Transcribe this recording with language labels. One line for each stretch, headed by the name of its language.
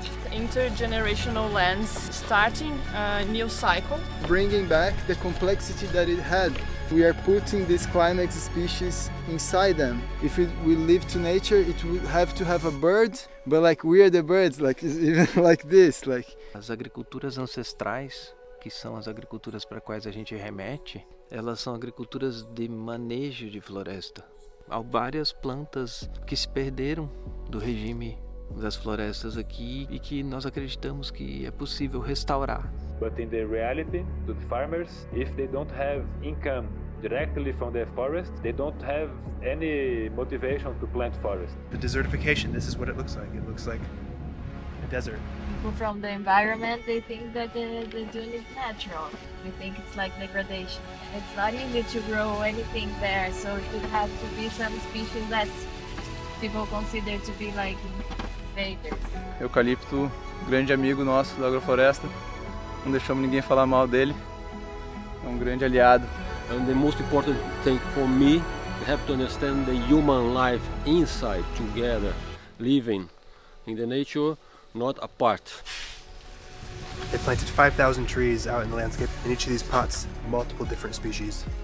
English: Intergenerational lands, starting a new cycle. Bringing back the complexity that it had. We are putting these climax species inside them. If we live to nature, it would have to have a bird, but like we are the birds, like even like this. Like.
Portuguese: As agriculturas ancestrais, que são as agriculturas para quais a gente remete, elas são agriculturas de manejo de floresta. Há várias plantas que se perderam do regime das florestas aqui e que nós acreditamos que é possível restaurar.
English: But in the reality, the farmers, if they don't have income directly from the forest, they don't have any motivation to plant forest. The desertification, this is what it looks like. It looks like a desert. People from the environment, they think that the dune is natural. We think it's like degradation. It's not easy to grow anything there, so it would have to be some species that people consider to be like
Portuguese: eucalipto, grande amigo nosso da agrofloresta, não deixamos ninguém falar mal dele, é grande aliado.
English: And the most important thing for me, you have to understand the human life inside, together, living in the nature, not apart. They planted 5,000 trees out in the landscape, in each of these pots, multiple different species.